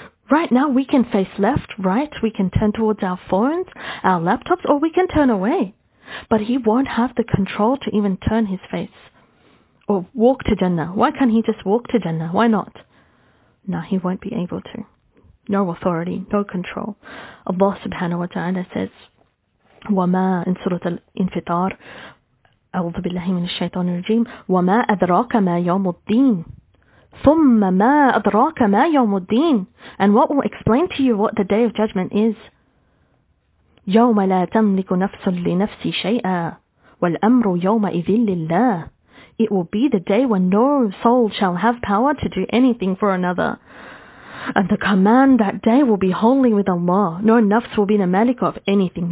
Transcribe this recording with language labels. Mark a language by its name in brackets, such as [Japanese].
[English] Right now, we can face left, right, we can turn towards our phones, our laptops, or we can turn away. But he won't have the control to even turn his face or walk to Jannah. Why can't he just walk to Jannah? Why not? No, he won't be able to. No authority, no control. Allah subhanahu wa ta'ala says, [Arabic] وَمَا [English] in Surah Al-Infitar, [Arabic] أَعُوذُ بِاللَّهِ مِنَ الشَّيْطَانِ الرَّجِيمِ وَمَا أَدْرَاكَ مَا يَوْمُ الدِّينِ ثُمَّ مَا أَدْرَاكَ مَا يَوْمُ الدِّينِ. [English] And what will explain to you what the Day of Judgment is? [Arabic] يَوْمَ لَا تَمْلِكُ نَفْسٌ لِنَفْسِ شَيْئًا وَالْأَمْرُ يَوْمَئِذٍ لِلَّهِ. [English] It will be the day when no soul shall have power to do anything for another. And the command that day will be wholly with Allah. No nafs will be the malik of anything.